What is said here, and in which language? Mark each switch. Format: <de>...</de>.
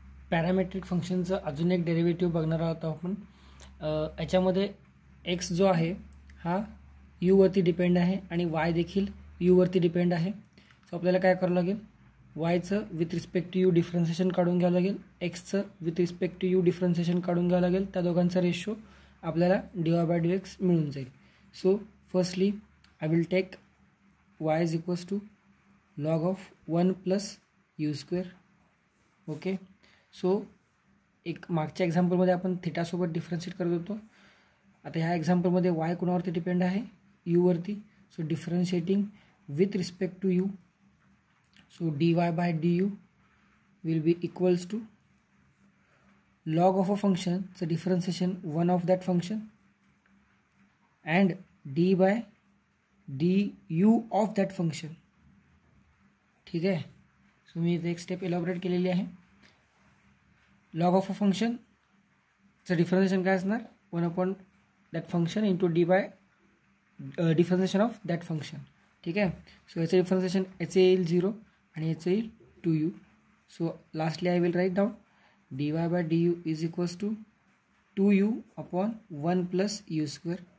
<mr>Parametric फंक्शनचं अजून एक derivative बघणार आहोत आपण. याच्यामध्ये एक्स जो आहे हा यूवरती डिपेंड आहे आणि वाय देखील यूवरती डिपेंड आहे. सो आपल्याला काय करावं लागेल, वायचं with respect to you differentiation काढून घ्यावं लागेल, एक्सचं with respect to you differentiation काढून घ्यावं लागेल, त्या दोघांचा रेशो आपल्याला डिवाय बाय डी एक्स मिळून जाईल.</mr> <en>So firstly I will take y is equals to log of one plus u square.</en> <mr>Okay, so एक मागच्या एक्झाम्पलमध्ये आपण थिटासोबत डिफरन्शिएट करत होतो, आता ह्या एक्झाम्पलमध्ये वाय कुणावरती डिपेंड आहे, यूवरती.</mr> <en>So differentiating with respect to u, so d y by d u will be equals to log of a function चं differentiation one of that function and d by d u of that function.</en> <mr>ठीक आहे, so मी इथे एक step elaborate केलेली आहे. Log of a function चं differentiation काय असणार,</mr> <en>one upon that function</en> <mr>into D bye differentiation of that function. ठीक आहे, सो याचं डिफरन्सिएशन याचे येईल झिरो आणि याचं येईल to you.</mr> <en>So lastly I will write down d y by d u is equals to two u upon one plus u square.</en>